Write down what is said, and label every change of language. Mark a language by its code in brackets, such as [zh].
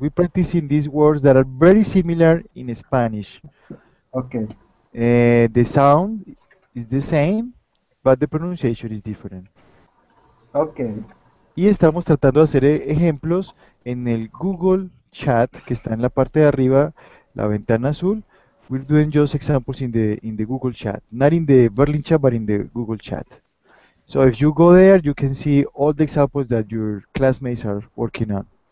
[en] We're practicing these words that are very similar in Spanish. Okay. The sound is the same, but the pronunciation is different. Okay. [es] Y estamos tratando de hacer ejemplos en el Google Chat, que está en la parte de arriba, la ventana azul. [en] We're doing just examples in the Google Chat. Not in the Berlin Chat, but in the Google Chat. So if you go there, you can see all the examples that your classmates are working on.